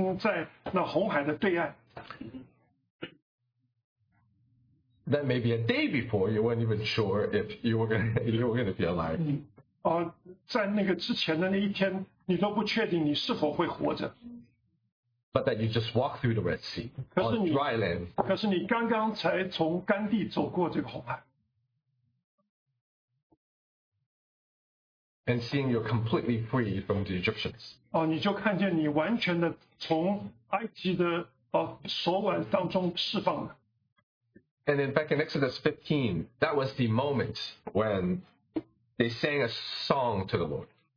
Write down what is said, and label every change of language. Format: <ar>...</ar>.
<zh>所以我们现在就需要圣灵来运送我们。我们不是在法拉盛了，我们现在已经在那红海的对岸。</zh> <en>That may be a day before you weren't even sure if you were going to be alive.</en> <zh>在那个之前的那一天, 你都不确定你是否会活着。</zh> <en>But that you just walk through the Red Sea on dry land.</en> <zh>可是你刚刚才从干地走过这个红海。</zh> <en>And seeing you're completely free from the Egyptians.</en> <zh>你就看见你完全的从埃及的手腕当中释放了。</zh> <en>And then back in Exodus 15, that was the moment when they sang a song to the Lord.</en>